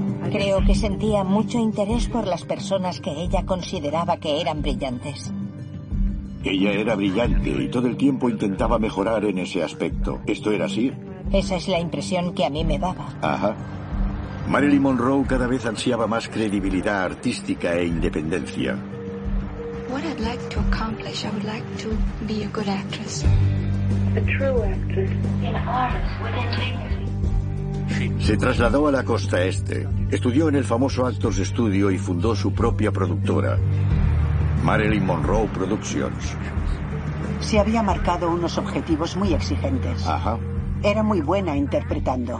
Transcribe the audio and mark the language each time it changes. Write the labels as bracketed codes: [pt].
[es] Creo que sentía mucho interés por las personas que ella consideraba que eran brillantes. Ella era brillante y todo el tiempo intentaba mejorar en ese aspecto. ¿Esto era así? Esa es la impresión que a mí me daba. Ajá. Marilyn Monroe cada vez ansiaba más credibilidad artística e independencia. [en] What I'd like to accomplish, I would like to be a good actress. A true actress. [es] Se trasladó a la costa este, estudió en el famoso Actors Studio y fundó su propia productora. Marilyn Monroe Productions. Se había marcado unos objetivos muy exigentes. Ajá. Era muy buena interpretando.